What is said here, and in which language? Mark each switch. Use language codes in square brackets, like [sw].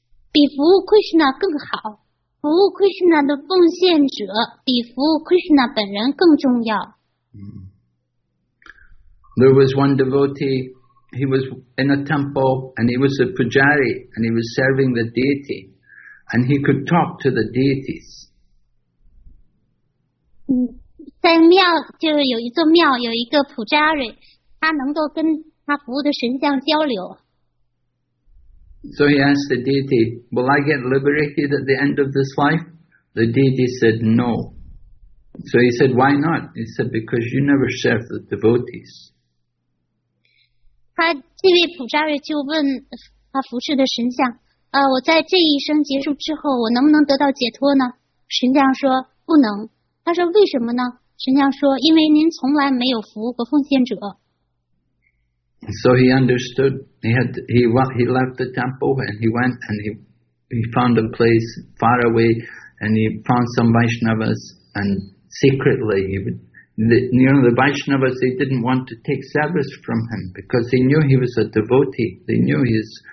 [zh] 比服务 Krishna 更好，服务 Krishna 的奉献者比服务 Krishna 本人更重要。 [en] There was one devotee, he was in a temple and he was a pujari and he was serving the deity and he could talk to the deities. [zh] 在庙就是有一座庙，有一个普扎瑞，他能够跟他服务的神像交流。 [en] So he asked the deity, "Will I get liberated at the end of this life?" The deity said, "No." So he said, "Why not?" He said, "Because you never serve the devotees." [zh] 他这位普扎瑞就问他服侍的神像，我在这一生结束之后，我能不能得到解脱呢？神像说，不能。他说为什么呢？神像说因为您从来没有服务过奉献者。 [en] So he understood, he left the temple and he went and he found a place far away and he found some Vaishnavas and secretly he would, the Vaishnavas, they didn't want to take service from him because they knew he was a devotee, they knew he was